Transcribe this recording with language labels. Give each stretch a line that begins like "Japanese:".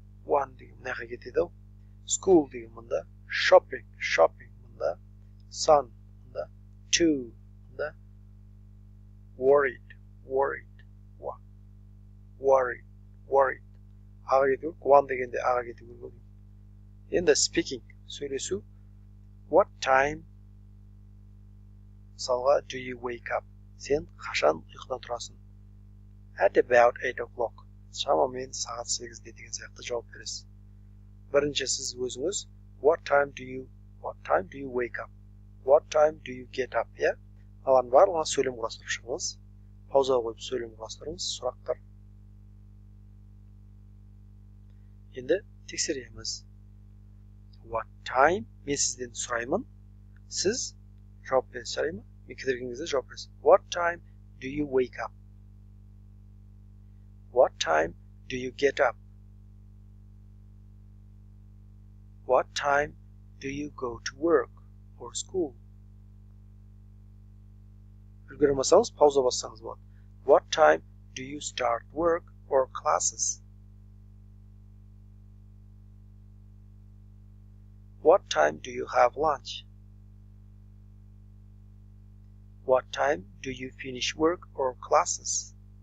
Kazakh: One деген мұнаға кетеді ау. School деген мұнда. Shopping мұнда.
English: Sun мұнда. Two мұнда. Worried.
Kazakh: Аға кетеді ау. One дегенде аға кетеді ау. Енді speaking сөйлесу.
English: What time салға do you wake up?
Kazakh: Сен қашан ұйқыдан тұрасың?
English: At about 8 o'clock.
Kazakh: Шамамен сағат 8 деген сияқты жауап бересіз. Бірінші сіз өзіңіз
English: What time do you wake up? What time do you get up?
Kazakh: Алан барлығы сөйлем құрастырып шығыңыз. Пауза қойып сөйлем құрастырыңыз. Сұрақтар. Енді тексереміз.
English: What time?
Kazakh: Мен сізден сұраймын. Сіз жауап бересіз. Сұраймын. Мен кедіргенгізді жауап бересіз.
English: What time do you wake up? What time do you get up? What time do you go to work or school?
Kazakh: Үлгірмесеңіз, пауза бассаңыз болады.
English: What time do you start work or classes? What time do you have lunch? What time do you finish work or classes?